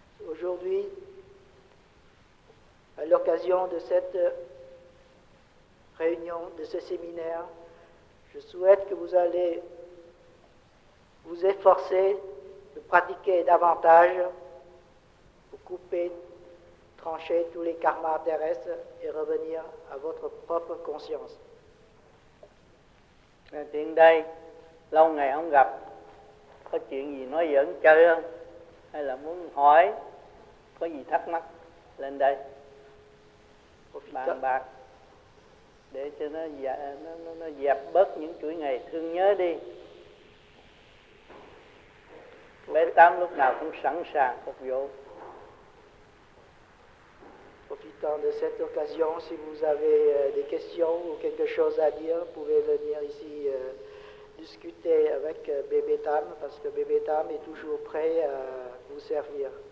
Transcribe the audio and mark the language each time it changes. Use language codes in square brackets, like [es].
[fr] Aujourd'hui, à l'occasion de cette réunion, de ce séminaire, je souhaite que vous allez vous efforcer de pratiquer davantage pour couper, trancher tous les karmas terrestres et revenir à votre propre conscience. [vi] Tiện đây, lâu ngày không gặp, có chuyện gì nói giỡn chơi không? Hay là muốn hỏi, có gì thắc mắc, lên đây. Bàn bạc để cho nó dẹp bớt những chuỗi ngày thương nhớ đi. Bé Tám lúc nào cũng sẵn sàng phục vụ. [fr] Profitant de cette occasion, si vous avez des questions ou quelque chose à dire, vous pouvez venir ici discuter avec Bébé Tam, parce que Bébé Tam est toujours prêt à vous servir.